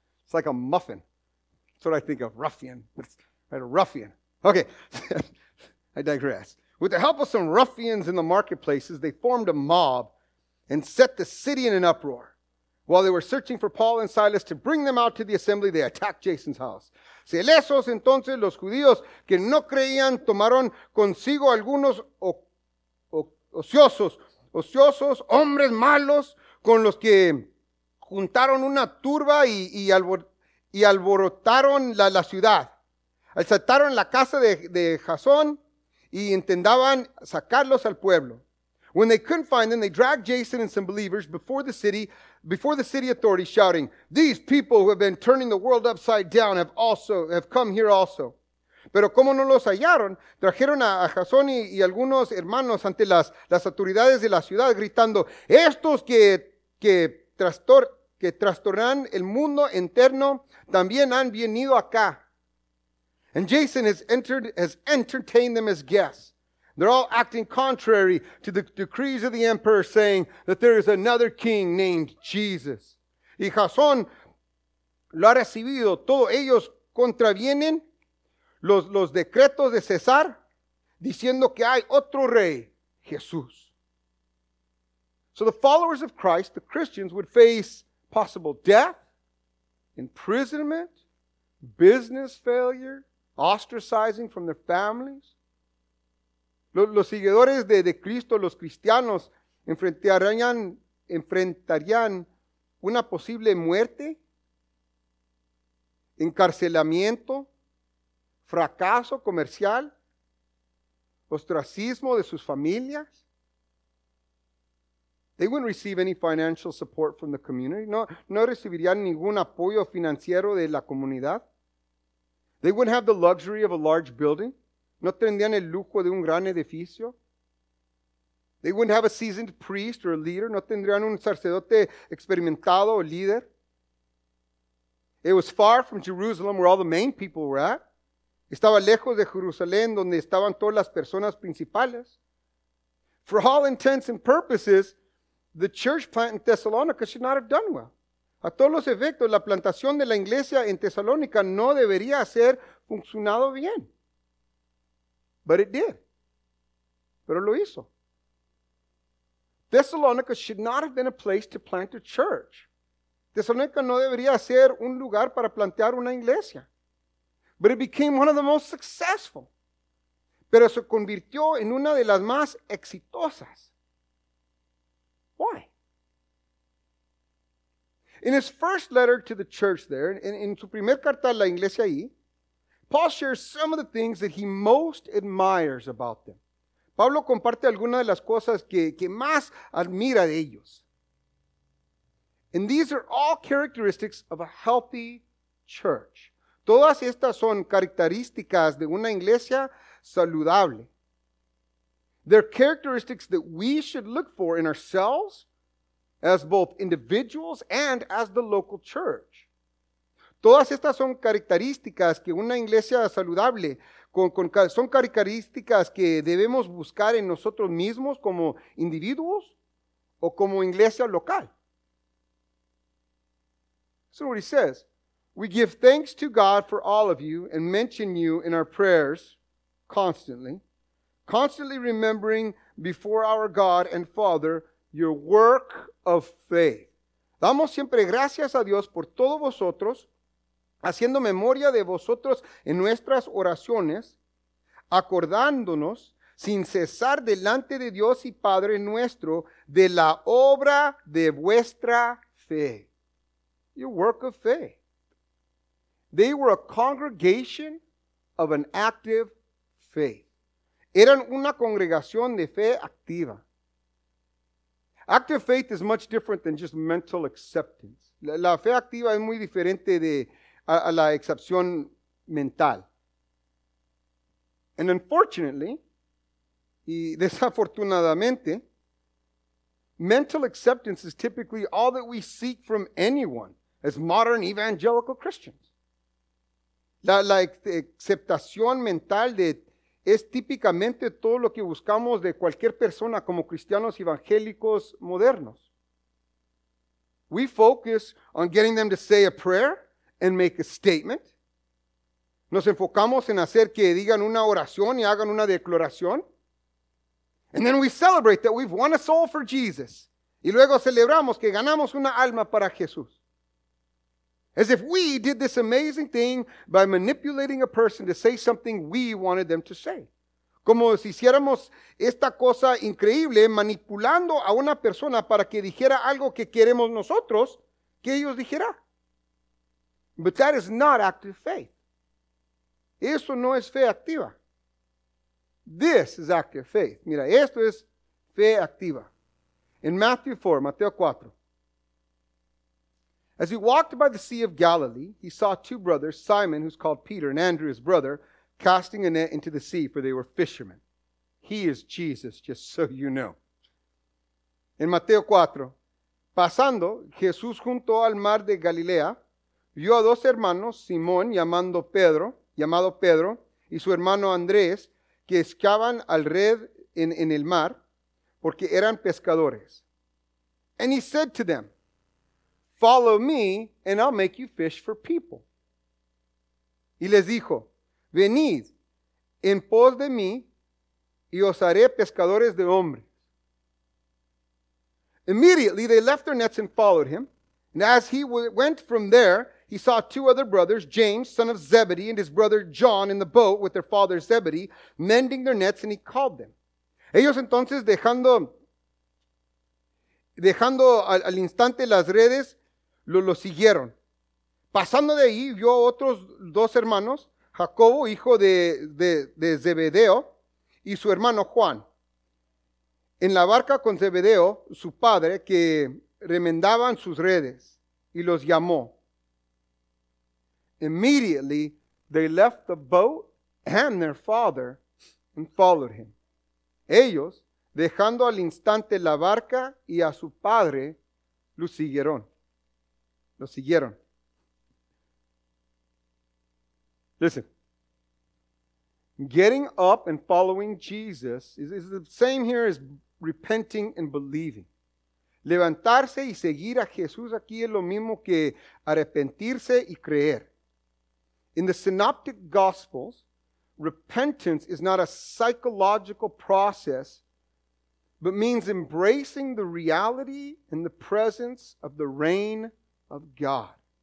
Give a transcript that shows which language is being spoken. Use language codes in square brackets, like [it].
[en] It's like a muffin. That's what I think of, ruffian. That's right, a ruffian. Okay, I digress. With the help of some ruffians in the marketplaces, they formed a mob and set the city in an uproar. While they were searching for Paul and Silas to bring them out to the assembly, they attacked Jason's house. [es] Celosos entonces los judíos que no creían tomaron consigo algunos ociosos hombres malos con los que juntaron una turba y alborotaron la ciudad. Asaltaron la casa de Jason y intentaban sacarlos al pueblo. [en] When they couldn't find them, they dragged Jason and some believers before the city authorities, shouting, "These people who have been turning the world upside down have come here also." [es] Pero como no los hallaron, trajeron a Jason y algunos hermanos ante las autoridades de la ciudad, gritando, "Estos que trastornan el mundo interno también han venido acá." [en] And Jason has entertained them as guests. They're all acting contrary to the decrees of the emperor, saying that there is another king named Jesus. [es] Y Jason lo ha recibido. Todos ellos contravienen los decretos de César, diciendo que hay otro rey, Jesús. [en] So the followers of Christ, the Christians, would face possible death, imprisonment, business failure, ostracizing from their families. [es] Los seguidores de Cristo, los cristianos, enfrentarían una posible muerte, encarcelamiento, fracaso comercial, ostracismo de sus familias. [en] They wouldn't receive any financial support from the community. [es] No recibirían ningún apoyo financiero de la comunidad. [en] They wouldn't have the luxury of a large building. [es] No tendrían el lujo de un gran edificio. [en] They wouldn't have a seasoned priest or a leader. [es] No tendrían un sacerdote experimentado o líder. [en] It was far from Jerusalem, where all the main people were at. [es] Estaba lejos de Jerusalén, donde estaban todas las personas principales. [en] For all intents and purposes, the church plant in Thessalonica should not have done well. [es] A todos los efectos, la plantación de la iglesia en Tesalónica no debería haber funcionado bien. [en] But it did. [es] Pero lo hizo. [en] Thessalonica should not have been a place to plant a church. [es] Tesalónica no debería ser un lugar para plantear una iglesia. [en] But it became one of the most successful. [es] Pero se convirtió en una de las más exitosas. [en] Why? In his first letter to the church there, in [es] su primer carta a la iglesia ahí, [en] Paul shares some of the things that he most admires about them. [es] Pablo comparte algunas de las cosas que más admira de ellos. [en] And these are all characteristics of a healthy church. [es] Todas estas son características de una iglesia saludable. [en] They're characteristics that we should look for in ourselves as both individuals and as the local church. [es] Todas estas son características que una iglesia saludable son características que debemos buscar en nosotros mismos como individuos o como iglesia local. [en] So what he says, we give thanks to God for all of you and mention you in our prayers constantly remembering before our God and Father your work of faith. [es] Damos siempre gracias a Dios por todos vosotros, haciendo memoria de vosotros en nuestras oraciones, acordándonos sin cesar delante de Dios y Padre nuestro de la obra de vuestra fe. [en] Your work of faith. They were a congregation of an active faith. [es] Eran una congregación de fe activa. [en] Active faith is much different than just mental acceptance. [es] La fe activa es muy diferente de a la excepción mental. [en] And unfortunately, [es] y desafortunadamente, [en] mental acceptance is typically all that we seek from anyone as modern evangelical Christians. [es] La aceptación mental es típicamente todo lo que buscamos de cualquier persona como cristianos evangélicos modernos. [en] We focus on getting them to say a prayer and make a statement. [es] Nos enfocamos en hacer que digan una oración y hagan una declaración. [en] And then we celebrate that we've won a soul for Jesus. [es] Y luego celebramos que ganamos una alma para Jesús. [en] As if we did this amazing thing by manipulating a person to say something we wanted them to say. [es] Como si hiciéramos esta cosa increíble manipulando a una persona para que dijera algo que queremos nosotros que ellos dijera. [en] But that is not active faith. [es] Eso no es fe activa. [en] This is active faith. [es] Mira, esto es fe activa. [en] In Matthew 4, Mateo 4. As he walked by the Sea of Galilee, he saw two brothers, Simon, who's called Peter, and Andrew, his brother, casting a net into the sea, for they were fishermen. He is Jesus, just so you know. [es] In Mateo 4, pasando, Jesús junto al mar de Galilea, vio a dos hermanos, Simón, llamado Pedro, y su hermano Andrés, que pescaban al red en el mar, porque eran pescadores. [en] And he said to them, follow me, and I'll make you fish for people. [es] Y les dijo, venid en pos de mí, y os haré pescadores de hombres. [en] Immediately they left their nets and followed him. And as he went from there, he saw two other brothers, James, son of Zebedee, and his brother John in the boat with their father Zebedee, mending their nets, and he called them. [es] Ellos entonces dejando al instante las redes, lo siguieron. Pasando de ahí, vio a otros dos hermanos, Jacobo, hijo de Zebedeo, y su hermano Juan, en la barca con Zebedeo, su padre, que remendaban sus redes, y los llamó. [en] Immediately, they left the boat and their father and followed him. Ellos, [es] dejando al instante la barca y a su padre, lo siguieron. Lo siguieron. [en] Listen. Getting up and following Jesus is the same here as repenting and believing. [es] Levantarse y seguir a Jesús aquí es lo mismo que arrepentirse y creer. [en] In the Synoptic Gospels, repentance is not a psychological process, but means embracing the reality and the presence of the reign of God.